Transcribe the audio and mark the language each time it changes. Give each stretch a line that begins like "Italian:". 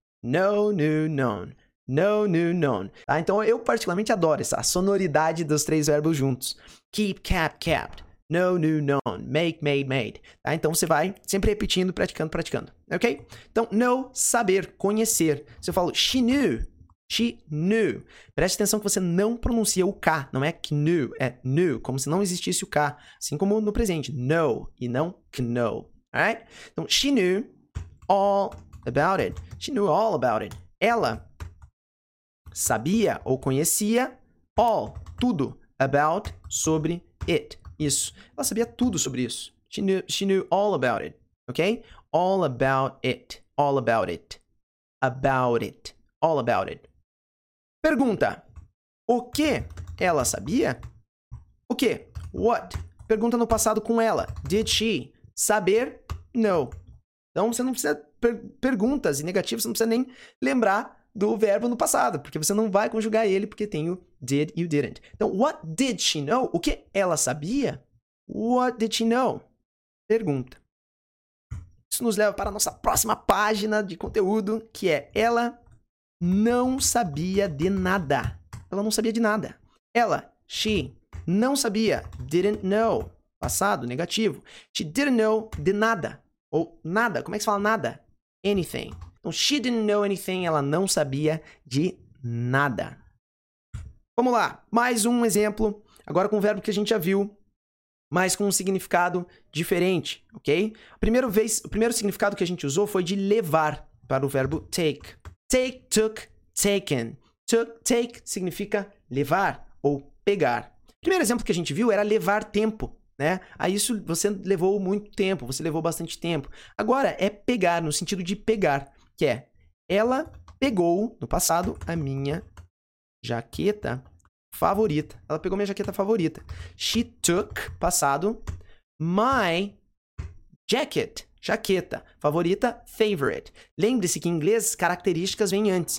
English: Know, knew, known. No, no, no. Tá?
Portuguese: Então, eu particularmente adoro essa sonoridade dos três verbos juntos.
English: Keep, kept, kept. No, new, known. Make, made, made.
Portuguese: Tá? Então, você vai sempre repetindo, praticando, praticando. Ok? Então, know, saber, conhecer.
English: Se eu falo she knew, she knew.
Portuguese: Preste atenção que você não pronuncia o K. Não é knew, é knew. Como se não existisse o K. Assim como no presente. Know e não know. Alright?
English: Então, she knew all about it. She knew all about it.
Portuguese: Ela sabia ou conhecia all, tudo, about, sobre it. Isso. Ela sabia tudo sobre isso.
English: She knew all about it. Ok? All about it. All about it. About it. All about it. Pergunta.
Portuguese: O que ela sabia? O que? What? Pergunta no passado com ela.
English: Did she?
Portuguese: Saber? No. Então, você não precisa... Perguntas e negativas, você não precisa nem lembrar do verbo no passado, porque você não vai conjugar ele, porque tem o did e o didn't.
English: Então, what did she know?
Portuguese: O que ela sabia?
English: What did she know? Pergunta.
Portuguese: Isso nos leva para a nossa próxima página de conteúdo, que é ela não sabia de nada. Ela não sabia de nada. Ela, she, não sabia, didn't know. Passado, negativo.
English: She didn't know
Portuguese: de nada. Ou nada. Como é que se fala nada? Anything.
English: Então, she didn't know anything.
Portuguese: Ela não sabia de nada. Vamos lá. Mais um exemplo. Agora com um verbo que a gente já viu, mas com um significado diferente, ok? O primeiro significado que a gente usou foi de levar para o verbo take. Take, took, taken. Take significa levar ou pegar. O primeiro exemplo que a gente viu era levar tempo. Né? A isso você levou muito tempo, você levou bastante tempo. Agora é pegar, no sentido de pegar, que é ela pegou, no passado, a minha jaqueta favorita. Ela pegou minha jaqueta favorita.
English: She took, passado, my jacket, jaqueta favorita, favorite.
Portuguese: Lembre-se que em inglês características vêm antes.